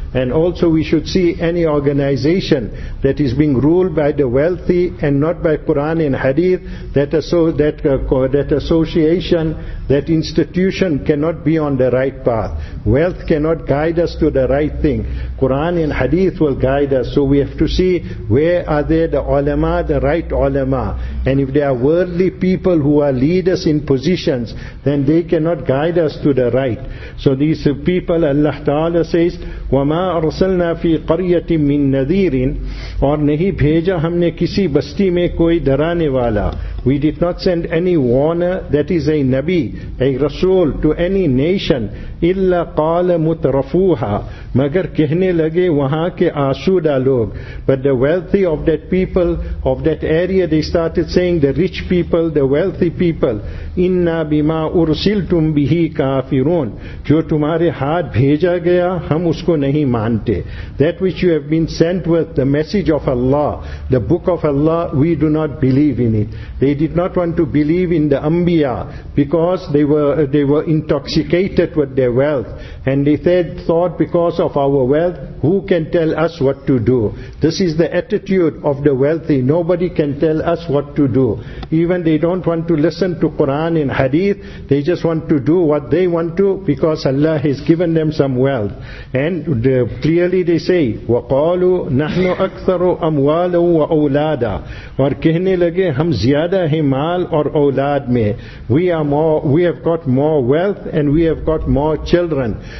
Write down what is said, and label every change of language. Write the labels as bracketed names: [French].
[English] And also we should see any organization that is being ruled by the wealthy and not by Quran and Hadith, that association, that institution cannot be on the right path. Wealth cannot guide us to the right thing. Quran and Hadith will guide us. So we have to see where are there the ulama, the right ulama. And if there are worldly people who are leaders in positions, then they cannot guide us to the right. So these people, Allah Ta'ala says, [Arabic] وَمَا أَرْسَلْنَا فِي قَرْيَةٍ مِّن نَذِيرٍ [Urdu] اور نہیں بھیجا ہم نے کسی بستی میں کوئی درانے والا. [English] We did not send any warner, that is a Nabi, a Rasul, to any nation. [Arabic] إِلَّا قَالَ مُتْرَفُوهَا [Urdu] مگر کہنے لگے وہاں کے آسودہ لوگ. [English] But the wealthy of that people, of that area, they started saying, the rich people, the wealthy people, [Arabic] إِنَّا بِمَا أُرْسِلْتُمْ بِهِ كَافِرُونَ [Urdu] جو تمہارے ہاتھ بھیجا گیا ہم اس کو نہیں مانتے. [English] That which you have been sent with, the message of Allah, the book of Allah, we do not believe in it. They did not want to believe in the Anbiya because they were intoxicated with their wealth. And they said, thought because of our wealth, who can tell us what to do? This is the attitude of the wealthy. Nobody can tell us what to do. Even they don't want to listen to Quran and Hadith. They just want to do what they want to because Allah has given them some wealth. And clearly they say, [Arabic] وَقَالُوا نَحْنُ أَكْثَرُ أَمْوَالًا وَأَوْلَادًا [Urdu] اور کہنے لگے ہم زیادہ ہیں مال اور اولاد میں. [English] We have got more wealth and we have got more children.